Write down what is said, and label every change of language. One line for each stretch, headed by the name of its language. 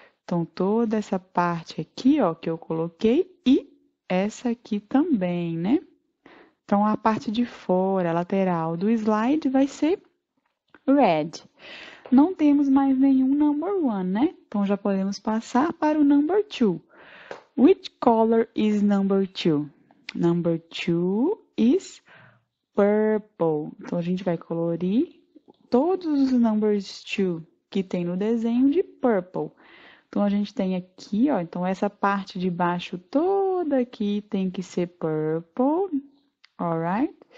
Portuguese: Então, toda essa parte aqui, ó, que eu coloquei e essa aqui também, né? Então, a parte de fora, a lateral do slide vai ser red. Não temos mais nenhum number one, né? Então, já podemos passar para o number two.
English: Which color is number two? Number two is purple.
Portuguese: Então, a gente vai colorir todos os numbers two que tem no desenho de purple. Então, a gente tem aqui, ó. Então, essa parte de baixo toda aqui tem que ser purple.
English: Alright?